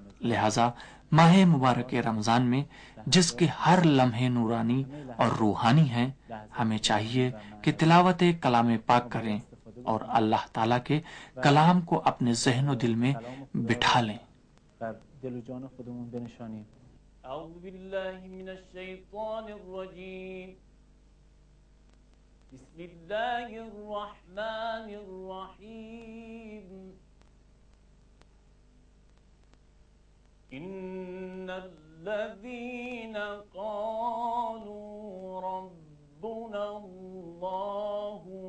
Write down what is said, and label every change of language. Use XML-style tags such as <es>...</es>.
<ur>لہذا ماہ مبارک رمضان میں جس کے ہر لمحے نورانی اور روحانی ہیں، ہمیں چاہیے کہ تلاوت کلام پاک کریں اور اللہ تعالیٰ کے کلام کو اپنے ذہن و دل میں بٹھا لیں۔</ur> <fa>دل و جان خودمون بنشانیم۔</fa> <ar>اعوذ باللہ من الشیطان الرجیم، بسم اللہ الرحمن الرحیم، ان الذین قالوا ربنا اللہ</ar>